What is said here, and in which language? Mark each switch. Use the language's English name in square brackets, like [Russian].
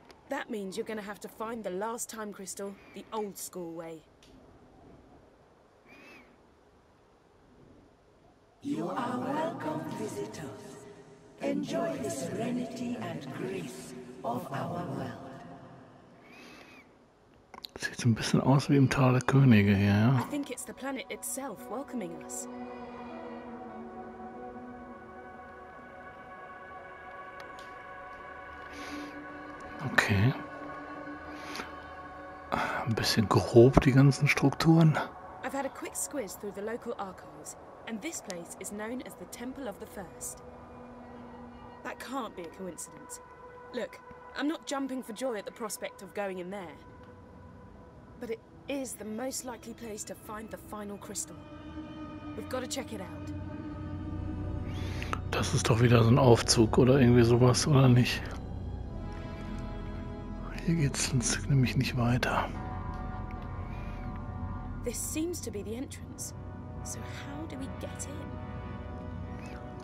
[English] That means you're going to have to find the last time crystal the old school way. You are welcome, visitors. Enjoy the serenity and grief of our world. [German] Sieht so ein bisschen aus wie im Tal der Könige hier, ja? [English] I think it's the planet itself welcoming us. Okay. [German] Ein bisschen grob die ganzen Strukturen. [English] I've had a quick squiz through the local archives, and this place is known as the Temple of the First. That can't be a coincidence. Look, I'm not jumping for joy at the prospect of going in there. But it is the most likely place to find the final crystal. We've got to check it out. [German] Das ist doch wieder so ein Aufzug oder irgendwie sowas, oder nicht? Hier geht's sonst nämlich nicht weiter. [English] This seems to be the entrance. So how do we get in?